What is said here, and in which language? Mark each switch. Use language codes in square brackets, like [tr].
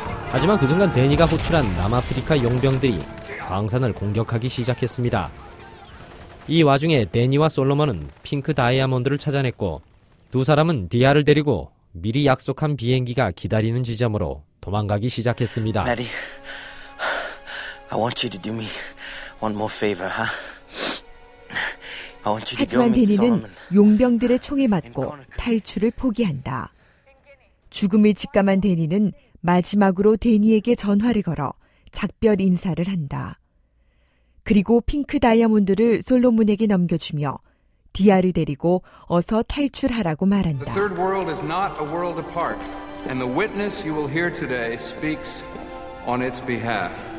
[ko] 하지만 그 순간 데니가 호출한 남아프리카 용병들이 광산을 공격하기 시작했습니다. 이 와중에 데니와 솔로몬은 핑크 다이아몬드를 찾아냈고 두 사람은 디아를 데리고 미리 약속한 비행기가 기다리는 지점으로 도망가기 시작했습니다. [en] Maddie, I want you to do me one more favor, huh? [ko] 하지만 데니는 용병들의 총에 맞고 탈출을 포기한다. 죽음을 직감한 데니는 마지막으로 데니에게 전화를 걸어 작별 인사를 한다. 그리고 핑크 다이아몬드를 솔로몬에게 넘겨주며 디아를 데리고 어서 탈출하라고 말한다. [en] The third world is not a world apart, and the witness you will hear today speaks on its behalf.